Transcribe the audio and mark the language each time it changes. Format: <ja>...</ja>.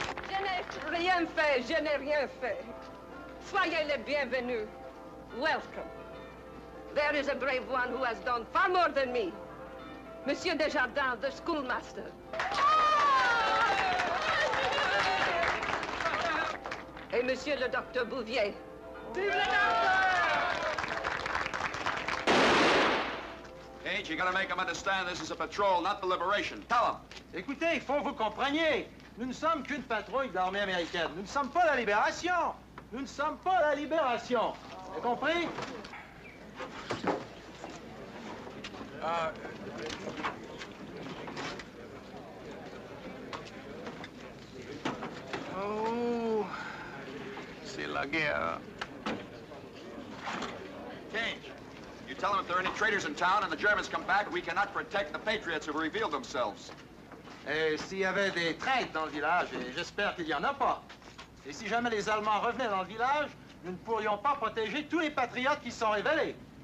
<fr>Je n'ai rien fait, je n'ai rien fait. Soyez les bienvenus.</fr> <en>Welcome. There is a brave one who has done far more than me. Monsieur Desjardins, the schoolmaster.</en> <fr>Et monsieur le docteur Bouvier. Vive le docteur!</fr> <en>Kate, you gotta make them understand this is a patrol, not the liberation. Tell them.</en> <fr>Écoutez, faut vous compreniez. Nous ne sommes qu'une patrouille de l'armée américaine. Nous ne sommes pas la libération. Nous ne sommes pas la libération. Vous avez compris?</fr> <en>Kane, you tell them if there are any traitors in town and the Germans come back, we cannot protect the patriots who have revealed themselves.</en> <fr>Et s'il y avait des traîtres dans le village, et j'espère qu'il n'y en a pas. Et si jamais les Allemands revenaient dans le village, nous ne pourrions pas protéger tous les patriotes qui sont révélés.</fr>